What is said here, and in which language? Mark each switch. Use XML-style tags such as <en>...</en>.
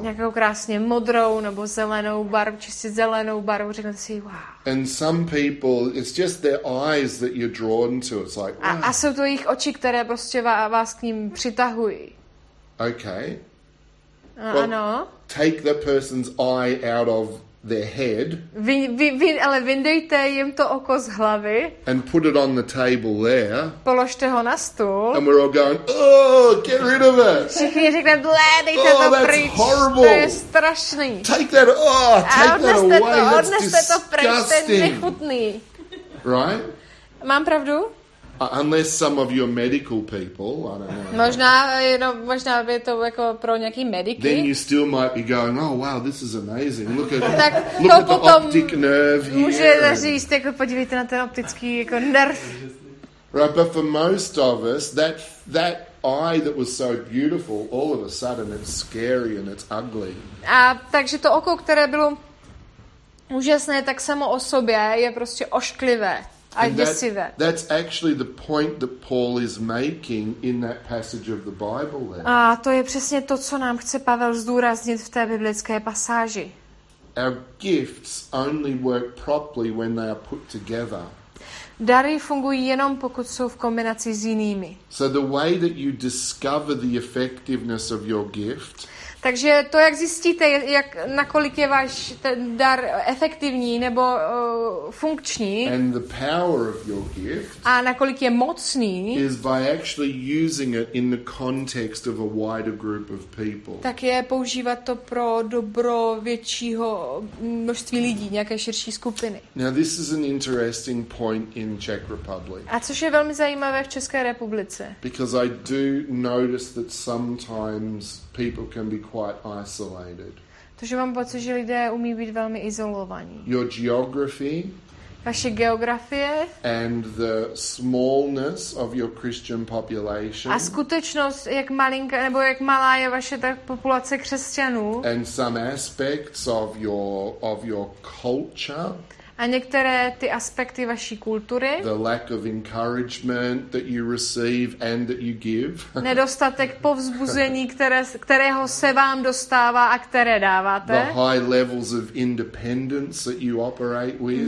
<cs>Nějakou krásně modrou nebo zelenou barvu, čistě zelenou barvu, říkali si, wow.</cs> <en>And some people, it's just their eyes that you're drawn to. It's like, wow.</en> <cs>A jsou to jejich oči, které prostě vás k ním přitahují.</cs> <en>Okay.</en> <cs>Well, ano.</cs> <en>Take the person's eye out of their head.</en> <cs>Ale vyndejte jim to oko z hlavy.</cs> <en>And put it on the table there.</en> <cs>Položte ho na stůl.</cs> <en>And we're all going, oh, get rid of it.</en> <cs>Všichni řekne, blé, dejte to pryč.</cs> <en>Oh, that's horrible.</en> <cs>To je strašný.</cs> <en>Take that, oh, take that away.</en> <cs>To,</cs> <en>that's disgusting.</en> <cs>Odneste to pryč, nechutný.</cs> <en>Right?</en> <cs>Mám pravdu?</cs> <en>Unless some of your medical people, I don't know.</en> <cs>Možná by to jako pro nějaký mediky.</cs> <en>Then you still might be going, oh wow, this is amazing. Look at, tak, look at the optic nerve here.</en> <cs>Můžete říct, jako podívejte na ten optický jako nerv.</cs> <en>Right, but for most of us, that eye that was so beautiful, all of a sudden it's scary and it's ugly.</en> <cs>A takže to oko, které bylo úžasné, tak samo o sobě je prostě ošklivé.</cs> <en>And that's actually the point that Paul is making in that passage of the Bible there.</en> <cs>A to je přesně to, co nám chce Pavel zdůraznit v té biblické pasáži.</cs> <en>Our gifts only work properly when they are put together.</en> <cs>Dary fungují jenom, pokud jsou v kombinaci s jinými.</cs> <en>So the way that you discover the effectiveness of your gift.</en> <cs>Takže to, jak zjistíte, jak nakolik je váš ten dar efektivní nebo funkční,</cs> <en>and the power of your gift,</en> <cs>a nakolik je mocný,</cs> <en>is by actually using it in the context of a wider group of people.</en> <cs>Tak je používat to pro dobro většího množství lidí, nějaké širší skupiny.</cs> <en>Now this is an interesting point in Czech Republic.</en> <cs>A což je velmi zajímavé v České republice.</cs> <en>Because I do notice that sometimes people can be quite isolated.</en> <cs>Tože mám pocit, že lidé umí být velmi izolovaní.</cs> <en>Your geography,</en> <cs>vaše geografie,</cs> <en>and the smallness of your Christian population,</en> <cs>a skutečnost, jak malinká nebo jak malá je vaše ta populace křesťanů,</cs> <en>and some aspects of your culture,</en> <cs>a některé ty aspekty vaší kultury.</cs> <en>The lack of encouragement that you receive and that you give.</en> <cs>Nedostatek povzbuzení, kterého se vám dostává a které dáváte.</cs> <en>The high levels of independence that you operate with.</en>